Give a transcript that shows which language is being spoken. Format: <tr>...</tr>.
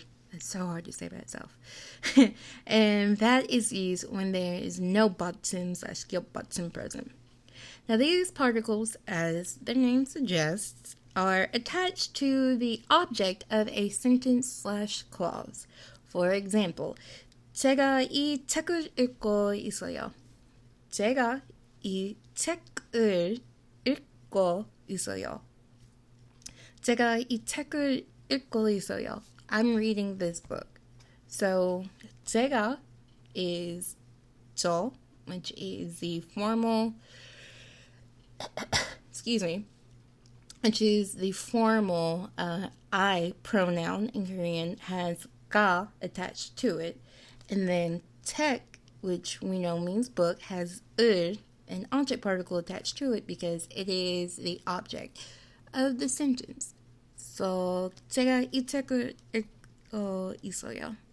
<en>It's so hard to say by itself. And that is used when there is no buttons or skip button present. Now these particles, as their name suggests, are attached to the object of a sentence slash clause. For example,</en> <ko>제가 이 책을 읽고 있어요. 제가 이 책을 읽고 있어요. 제가 이 책을 읽고 있어요.</ko> <en>I'm reading this book. So, 제가 is 저, which is the formal, which is the formal I pronoun in Korean, has 가 attached to it. And then 책, which we know means book, has 을, an object particle attached to it because it is the object of the sentence.</en> <ko>So, 제가 이 책을 읽고 있어요.</ko>